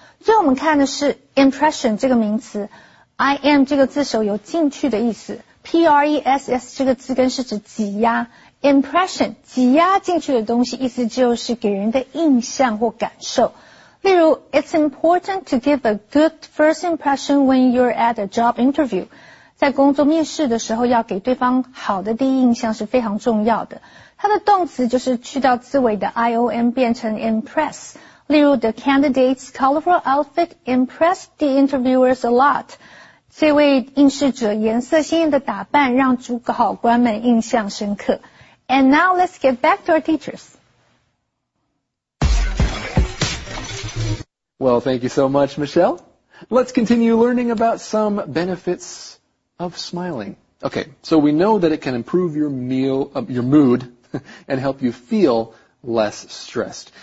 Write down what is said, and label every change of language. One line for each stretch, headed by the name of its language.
Chinese: 最后我们看的是 impression 这个名词， I am 这个字首有进去的意思， P-R-E-S-S 这个字根是指挤压， impression 挤压进去的东西，意思就是给人的印象或感受。例如
English: It's important to give a good first impression when you're at a job interview.
Chinese: 在工作面试的时候要给对方好的第一印象是非常重要的。它的动词就是去掉字尾的 IOM 变成 impress。例如
English: The candidate's colorful outfit impressed the interviewers a lot。
Chinese: 这位应试者颜色鲜艳的打扮让主考官们印象深刻。
English: And now let's get back to our teachers. Well, thank you so much, Michelle. Let's continue learning about some benefits of smiling. Okay, so we know that it can improve your mood and help you feel less stressed.